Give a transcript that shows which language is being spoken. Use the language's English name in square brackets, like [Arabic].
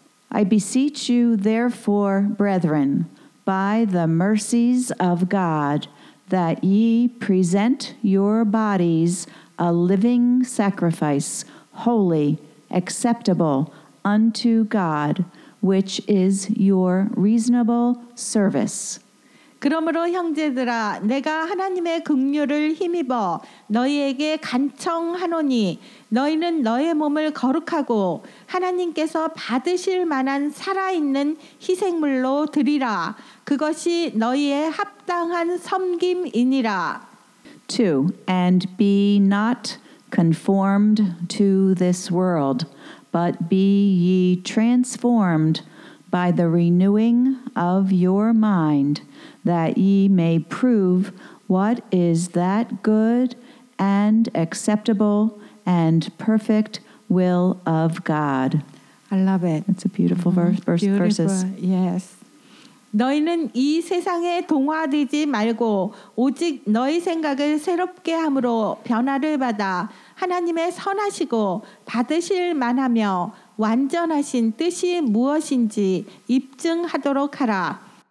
[English] I beseech you, therefore, brethren, by the mercies of God, that ye present your bodies a living sacrifice, holy, acceptable unto God, which is your reasonable service. [Korean] 그러므로 형제들아 내가 하나님의 긍휼을 힘입어 너희에게 간청하노니 너희는 너의 몸을 거룩하고 하나님께서 받으실 만한 살아있는 희생물로 드리라 그것이 너희의 합당한 섬김이니라 [English] 2. And be not conformed to this world, but be ye transformed by the renewing of your mind, that ye may prove What is that good and acceptable and perfect will of God? I love it. It's a beautiful verses. Yes. [Korean] 너희는 이 세상에 동화되지 말고 오직 너희 생각을 새롭게 함으로 변화를 받아 하나님의 선하시고 받으실 만하며 완전하신 뜻이 무엇인지 입증하도록 하라.